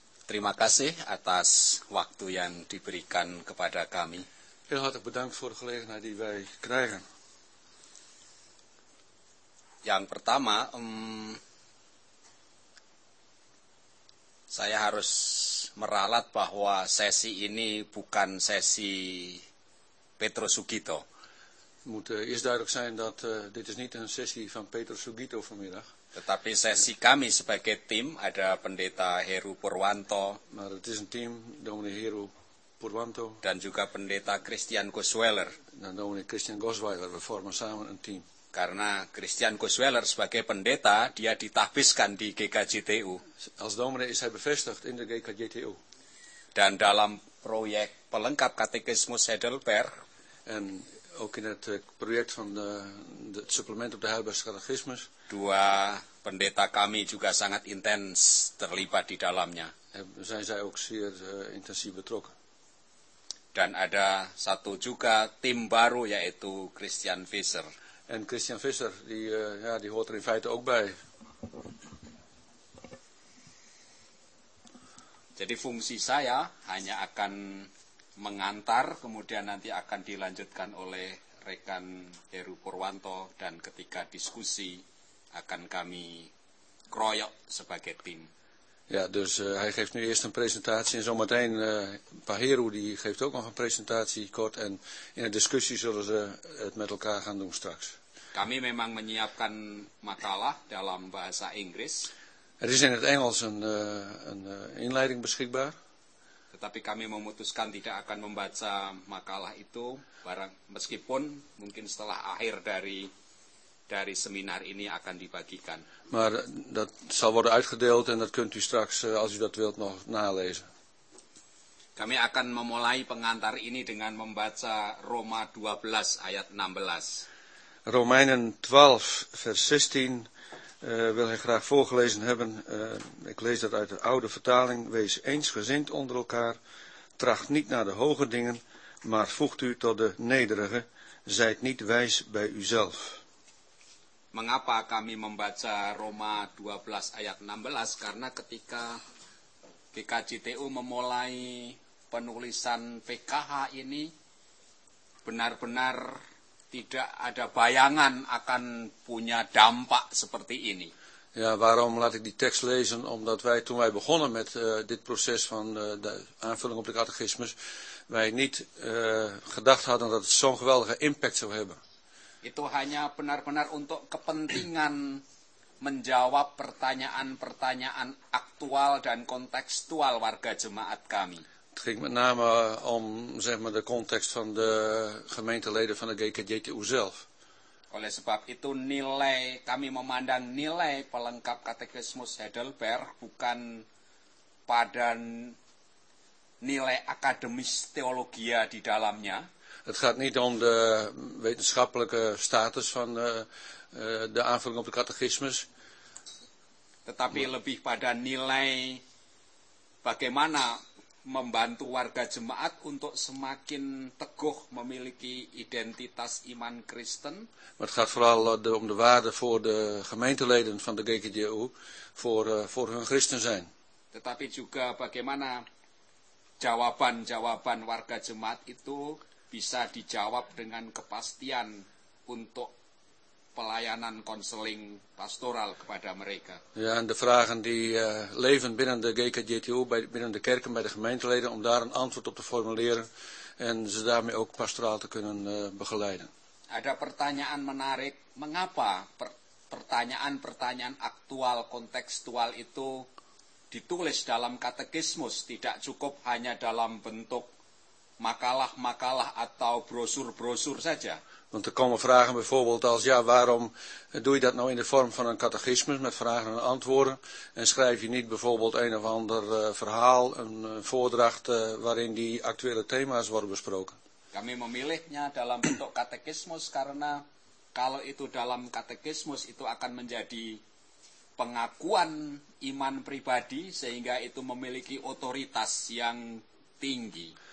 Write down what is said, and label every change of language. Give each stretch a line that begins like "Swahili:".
Indonesian: Terima kasih atas waktu yang diberikan kepada kami.
Dutch: Heel hartelijk bedankt voor de gelegenheid die wij krijgen.
Indonesian: Yang pertama, saya harus meralat bahwa sesi ini bukan sesi Pedro Sugito.
Dutch: Moet eerst duidelijk zijn dat dit is niet een sessie van Pedro Sugito vanmiddag.
Indonesian: Tetapi sesi kami sebagai tim ada Pendeta Heru Purwanto.
Dutch: Maar het is een team, dominee Heru Purwanto.
Indonesian: Dan juga Pendeta Christian Gosweller.
Dutch: Dan dominee Christian Gosweller, we vormen samen een team.
Indonesian: Karena Christian Gosweller sebagai pendeta, dia ditahbiskan di GKJTU.
Dutch: Als dominee is hij bevestigd in de GKJTU.
Indonesian: Dan dalam proyek pelengkap katekismus Heidelberg.
Dutch: En ook in het project van het supplement op de Heidelbergse catechismus.
Indonesian: Dua pendeta kami juga sangat intens terlibat di dalamnya.
Dutch: Zijn zij ook zeer intensief betrokken.
Indonesian: Dan ada satu juga tim baru yaitu Christian Visser.
Dutch: En Christian Visser, die hoort er in feite ook bij.
Indonesian: Jadi fungsi saya hanya akan mengantar, kemudian nanti akan dilanjutkan oleh rekan Heru Purwanto, dan ketika diskusi akan kami kroyok sebagai tim.
Dutch: Ya, dus hij geeft nu eerst een presentatie en zometeen Pak Heru die geeft ook nog een presentatie kort en in de discussie zullen ze het met elkaar gaan doen straks.
Indonesian: Kami memang menyiapkan makalah dalam bahasa Inggris.
Dutch: Er is in het Engels een inleiding beschikbaar.
Indonesian: Tetapi kami memutuskan tidak akan membaca makalah itu barang meskipun mungkin setelah akhir dari seminar ini akan dibagikan.
Dutch: Maar dat zal worden uitgedeeld en dat kunt u straks als u dat wilt nog nalezen.
Indonesian: Kami akan memulai pengantar ini dengan membaca Roma 12 ayat 16.
Dutch: Romeinen 12 vers 16. Wil hij graag voorgelezen hebben. Ik lees dat uit de oude vertaling. Wees eensgezind onder elkaar. Tracht niet naar de hoge dingen, maar voegt u tot de nederige. Zijt niet wijs bij uzelf.
Indonesian: Mengapa kami membaca Roma 12 ayat 16? Karena ketika GKJTU memulai penulisan PKH ini, benar-benar tidak ada bayangan akan punya dampak seperti ini.
Dutch: Ya, waarom laat ik die tekst lezen? Omdat wij, toen wij begonnen met dit proces van de aanvulling op de catechismus, wij niet gedacht hadden dat het zo'n geweldige impact zou hebben.
Indonesian: Itu hanya benar-benar untuk kepentingan menjawab pertanyaan-pertanyaan aktual dan kontekstual warga jemaat kami.
Dutch: Het ging met name om zeg maar de context van de gemeenteleden van de GKJTU zelf.
Indonesian: Oleh sebab itu nilai kami memandang nilai pelengkap katekismus Heidelberg bukan pada nilai akademis teologia di dalamnya.
Dutch: Het gaat niet om de wetenschappelijke status van de aanvulling op de catechismus.
Indonesian: Tetapi lebih pada nilai bagaimana membantu warga jemaat untuk semakin teguh memiliki identitas iman Kristen.
Dutch: Maar het gaat vooral om de waarde voor de gemeenteleden van de GKJU voor hun Christen zijn.
Indonesian: Tetapi juga bagaimana jawaban-jawaban warga jemaat itu bisa dijawab dengan kepastian untuk pelayanan konseling pastoral kepada mereka.
Dutch: Ja, en de vragen die leven binnen de GKJTU, binnen de kerken, bij de gemeenteleden, om daar een antwoord op te formuleren en ze daarmee ook pastoraal te kunnen begeleiden.
Indonesian: Ada pertanyaan menarik, mengapa pertanyaan-pertanyaan aktual, kontekstual itu ditulis dalam katekismus, tidak cukup hanya dalam bentuk makalah-makalah atau brosur-brosur saja.
Dutch: Want er komen vragen bijvoorbeeld als, ja, waarom doe je dat nou in de vorm van een catechismus met vragen en antwoorden? En schrijf je niet bijvoorbeeld een of ander verhaal, een voordracht waarin die actuele thema's worden besproken?
Indonesian: Kami memilihnya dalam bentuk katekismus karena kalau itu dalam katekismus itu akan menjadi pengakuan iman pribadi sehingga itu memiliki otoritas yang tinggi.